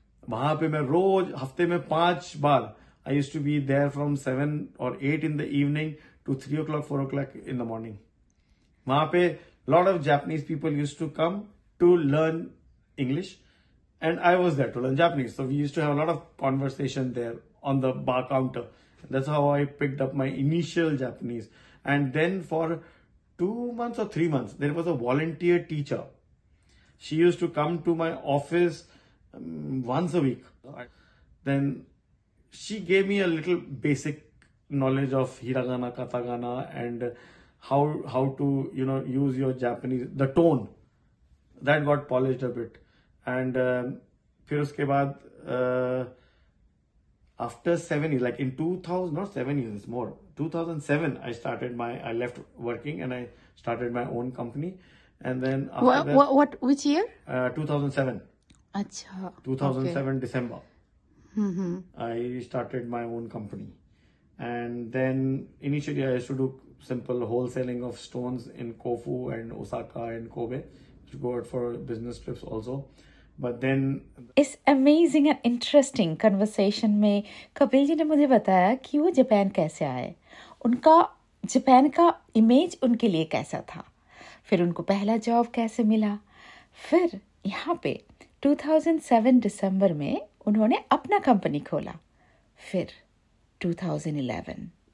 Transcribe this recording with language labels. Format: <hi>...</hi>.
<hi>वहां पे मैं रोज हफ्ते में 5 बार</hi> <en>I use to be there from 7 or 8 in the evening to 3 o'clock, 4 o'clock in the morning. वहां पे lot of Japanese people use to come to learn English and I was there to learn Japanese. So we use to have lot of conversation there on the bar counter. That's how I picked up my initial Japanese. And then for 2 months or 3 months, there was a volunteer teacher. She used to come to my office once a week. Then she gave me a little basic knowledge of hiragana, katagana, and how to, you know, use your Japanese, the tone. That got polished a bit. And</en> <hi>फिर उसके बाद</hi> <en>after 7 years, like in 2000, not 7 years, it's more. 2007 I left working and I started my own company. And then which year? 2007.</en> <hi>Achha.</hi> <en>2007, okay. December. Mm-hmm. I started my own company. And then initially I used to do simple wholesaling of stones in Kofu and Osaka and Kobe. I used to go out for business trips also. But then,</en> <hi>इस</hi> <en>amazing and interesting conversation</en> <hi>में कपिल जी ने मुझे बताया कि वो Japan कैसे आए, उनका जापान का इमेज उनके लिए कैसा था, फिर उनको पहला जॉब कैसे मिला, फिर यहाँ पे 2007 दिसंबर में उन्होंने अपना कंपनी खोला, फिर 2011</hi>